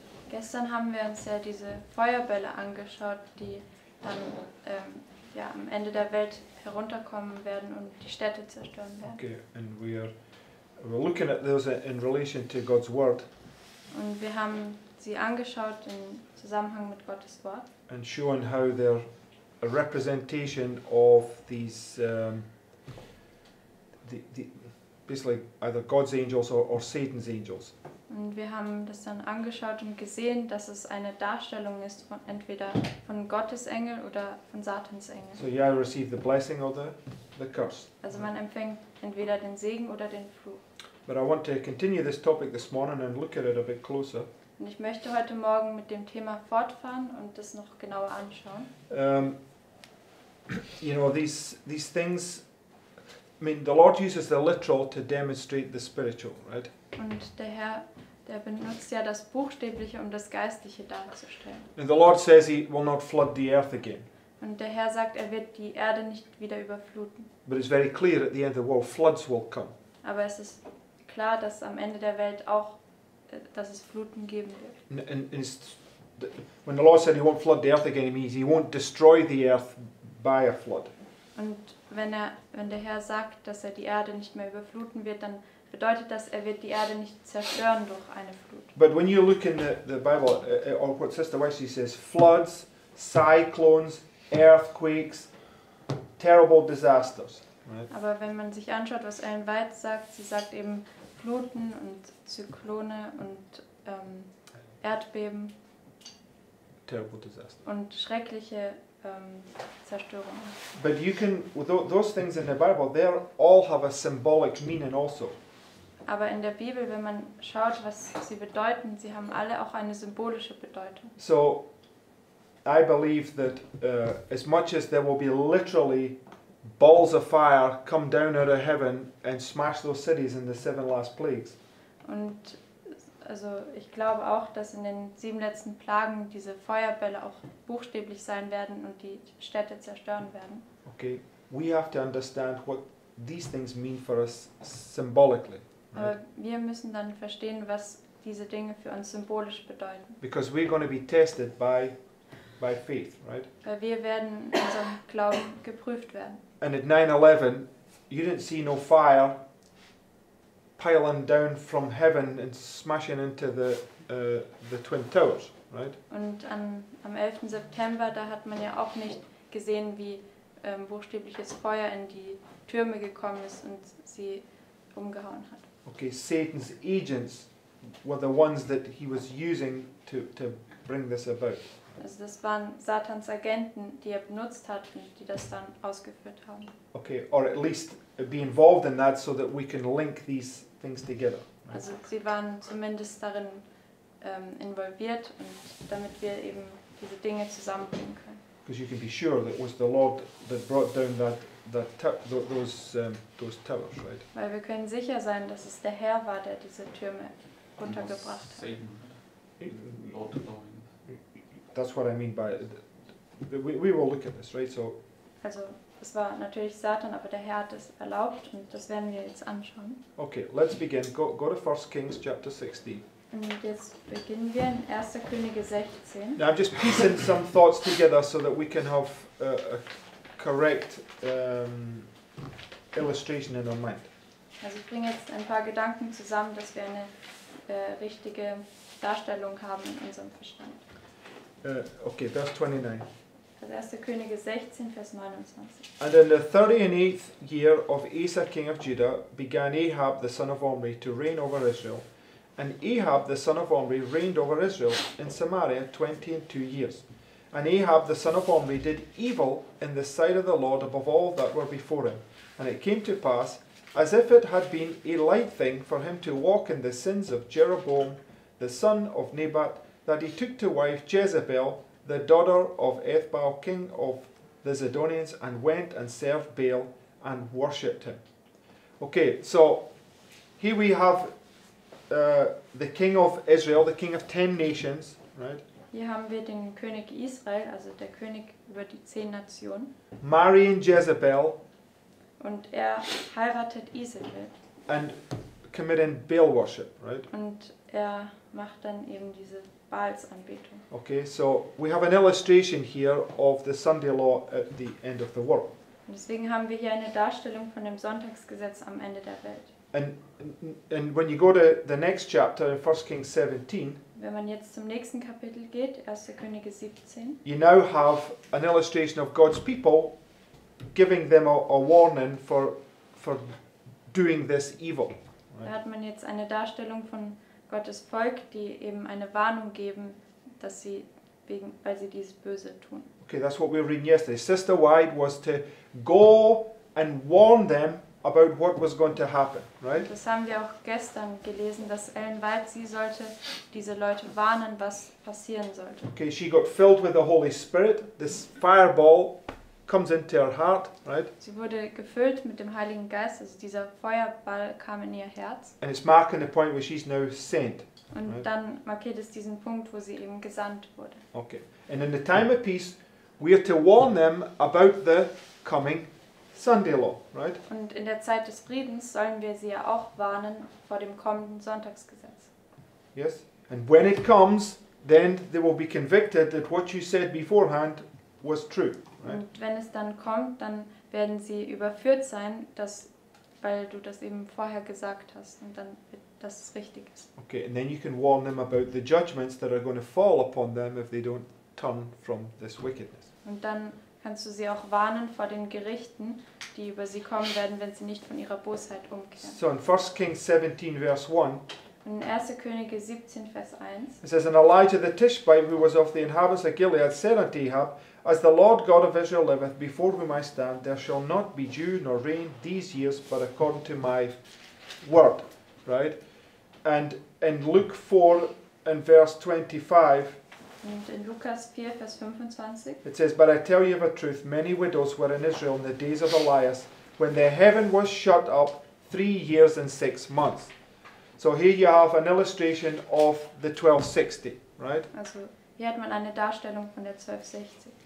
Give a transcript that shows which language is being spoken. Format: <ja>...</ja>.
<de>Gestern haben wir uns ja diese Feuerbälle angeschaut, die dann ja am Ende der Welt herunterkommen werden und die Städte zerstören werden.</de> <en>Okay, and we're looking at those in relation to God's word.</en> <de>Und wir haben sie angeschaut im Zusammenhang mit Gottes Wort.</de> <en>And showing how they're a representation of these basically either God's angels or Satan's angels.</en> <de>Und wir haben das dann angeschaut und gesehen, dass es eine Darstellung ist von entweder von Gottes Engel oder von Satans Engel.</de> <en>So you either receive the blessing or the curse.</en> <de>Also man empfängt entweder den Segen oder den Fluch.</de> <en>But I want to continue this topic this morning and look at it a bit closer.</en> <de>Und ich möchte heute Morgen mit dem Thema fortfahren und das noch genauer anschauen.</de> <en>You know, these things, I mean, the Lord uses the literal to demonstrate the spiritual, right?</en> <de>Und der Herr, der benutzt ja das Buchstäbliche, um das Geistliche darzustellen.</de> <en>And the Lord says he will not flood the earth again.</en> <de>Und der Herr sagt, er wird die Erde nicht wieder überfluten.</de> <en>But it's very clear at the end of the world, floods will come.</en> <de>Aber es ist klar, dass am Ende der Welt auch, dass es Fluten geben wird.</de> <en>And when the Lord said he won't flood the earth again, it means he won't destroy the earth by a flood.</en> <de>Und wenn der Herr sagt, dass er die Erde nicht mehr überfluten wird, dann bedeutet das, er wird die Erde nicht zerstören durch eine Flut.</de> <en>But when you look in the Bible, or what Sister Wesley says, floods, cyclones, earthquakes, terrible disasters. Right?</en> <de>Aber wenn man sich anschaut, was Ellen White sagt, sie sagt eben Fluten und Zyklone und Erdbeben.</de> <en>Terrible disasters.</en> <de>Und schreckliche Zerstörung.</de> <en>But you can, those things in the Bible, they all have a symbolic meaning also.</en> <de>Aber in der Bibel, wenn man schaut, was sie bedeuten, sie haben alle auch eine symbolische Bedeutung.</de> <en>So, I believe that as much as there will be literally balls of fire come down out of heaven and smash those cities in the seven last plagues.</en> <de>Und also ich glaube auch, dass in den sieben letzten Plagen diese Feuerbälle auch buchstäblich sein werden und die Städte zerstören werden.</de> <en>Okay, we have to understand what these things mean for us symbolically. Right?</en> <de>Aber wir müssen dann verstehen, was diese Dinge für uns symbolisch bedeuten.</de> <en>Because we're going to be tested by faith, right?</en> <de>Weil wir werden in unserem Glauben geprüft werden.</de> <en>And at 9/11, you didn't see no fire piling down from heaven and smashing into the Twin Towers, right?</en> <de>Und am 11. September, da hat man ja auch nicht gesehen, wie buchstäbliches Feuer in die Türme gekommen ist und sie umgehauen hat.</de> <en>Okay, Satan's agents were the ones that he was using to bring this about.</en> <de>Also das waren Satans Agenten, die er benutzt hat und die das dann ausgeführt haben.</de> <en>Okay, or at least be involved in that so that we can link these things together. Right?</en> <de>Also sie waren zumindest darin involviert und damit wir eben diese Dinge zusammenbringen können.</de> <en>Because you can be sure that it was the Lord that brought down those towers, right?</en> <de>Weil wir können sicher sein, dass es der Herr war, der diese Türme runtergebracht hat.</de> <en>That's what I mean by it. We will look at this, right? So.</en> <de>Also, es war natürlich Satan, aber der Herr hat es erlaubt, und das werden wir jetzt anschauen.</de> <en>Okay, let's begin. Go to 1 Kings chapter 16.</en> <de>Und jetzt beginnen wir in 1. Könige 16.</de> <en>Now I'm just piecing some thoughts together so that we can have a correct illustration in our mind.</en> <de>Also ich bringe jetzt ein paar Gedanken zusammen, dass wir eine richtige Darstellung haben in unserem Verstand.</de> <en>Okay, verse 29.</en> <de>Also 1. Könige 16, Vers 29.</de> <en>And in the 38th year of Asa king of Judah began Ahab the son of Omri to reign over Israel. And Ahab the son of Omri reigned over Israel in Samaria 22 years. And Ahab the son of Omri did evil in the sight of the Lord above all that were before him. And it came to pass, as if it had been a light thing for him to walk in the sins of Jeroboam the son of Nebat, that he took to wife Jezebel, the daughter of Ethbaal, king of the Zidonians, and went and served Baal and worshipped him. Okay, so here we have the king of Israel, the king of 10 nations, right?</en> <de>Hier haben wir den König Israel, also der König über die 10 Nationen.</de> <en>Marrying Jezebel.</en> <de>Und er heiratet Isabel.</de> <en>And committing Baal worship, right?</en> <de>Und er macht dann eben diese Baalsanbetung.</de> <en>Okay, so we have an illustration here of the Sunday law at the end of the world.</en> <de>Und deswegen haben wir hier eine Darstellung von dem Sonntagsgesetz am Ende der Welt.</de> <en>And when you go to the next chapter in 1 Kings 17,</en> <de>wenn man jetzt zum nächsten Kapitel geht, 1. Könige 17,</de> <en>you now have an illustration of God's people giving them a warning for doing this evil. Right?</en> <de>Da hat man jetzt eine Darstellung von Gottes Volk, die eben eine Warnung geben, dass sie weil sie dies Böse tun.</de> <en>Okay, that's what we were reading yesterday. Sister White was to go and warn them about what was going to happen, right?</en> <de>Das haben wir auch gestern gelesen, dass Ellen White, sie sollte diese Leute warnen, was passieren sollte.</de> <en>Okay, she got filled with the Holy Spirit. This fireball comes into her heart, right?</en> <de>Sie wurde gefüllt mit dem Heiligen Geist, also dieser Feuerball kam in ihr Herz.</de> <en>And it's marking the point where she's now sent.</en> <de>Und</de> <en>right?</en> <de>Dann markiert es diesen Punkt, wo sie eben gesandt wurde.</de> <en>Okay. And in the time of peace, we are to warn them about the coming Sunday law, right?</en> <de>Und in der Zeit des Friedens sollen wir sie ja auch warnen vor dem kommenden Sonntagsgesetz.</de> <en>Yes. And when it comes, then they will be convicted that what you said beforehand was true.</en> <de>Und wenn es dann kommt, dann werden sie überführt sein, dass, weil du das eben vorher gesagt hast und dann wird das richtig ist.</de> <en>Okay, and then you can warn them about the judgments that are going to fall upon them if they don't turn from this wickedness.</en> <de>Und dann kannst du sie auch warnen vor den Gerichten, die über sie kommen werden, wenn sie nicht von ihrer Bosheit umkehren.</de> <en>So in 1 Kings 17, Vers 1.</en> <de>In 1. Könige 17, Vers 1.</de> <en>It says, and Elijah the Tishbite, who was of the inhabitants of Gilead, said unto Ahab, as the Lord God of Israel liveth, before whom I stand, there shall not be dew nor rain these years, but according to my word. right? And Luke 4 and verse 25.</en> <de>Und in Lukas 4, Vers 25.</de> <en>It says, but I tell you of a truth, many widows were in Israel in the days of Elias, when their heaven was shut up 3 years and 6 months. So here you have an illustration of the 1260, right?</en> <de>Also, hier hat man eine Darstellung von der 1260.</de>